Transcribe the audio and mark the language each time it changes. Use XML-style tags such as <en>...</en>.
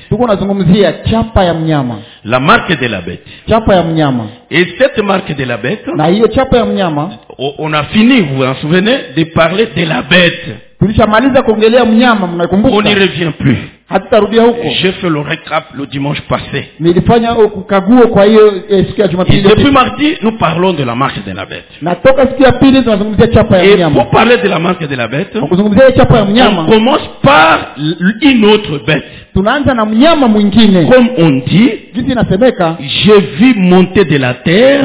<sw>Tuko nazungumzia chapa ya mnyama.</sw> <fr>La marque de la bête.</fr> <sw>Chapa ya mnyama.</sw> <fr>Et cette marque de la bête?</fr> <sw>Na hiyo chapa ya mnyama.</sw> <fr>On a fini, vous vous en souvenez, de parler de la bête.</fr> <sw>Tulishamaliza kuongelea mnyama, mnakumbuka?</sw> <fr>On n'y revient plus.</fr> <sw>Hatutarudia huko.</sw> <fr>J'ai fait le récap le dimanche passé.</fr> <sw>Nilifanya ukaguo kwa hiyo siku ya Jumapili.</sw> <fr>Et depuis mardi, nous parlons de la marque de la bête.</fr> <sw>Na toka siku ya pili tunazungumzia chapa ya mnyama.</sw> <fr>Et pour parler de la marque de la bête,</fr> <sw>tunazungumzia chapa ya mnyama.</sw> <fr>On commence par une autre bête.</fr> <sw>Tunaanza na mnyama mwingine.</sw> <fr>Comme on dit,</fr> <sw>jinsi inasemeka,</sw> <fr>j'ai vu monter de la terre.</fr>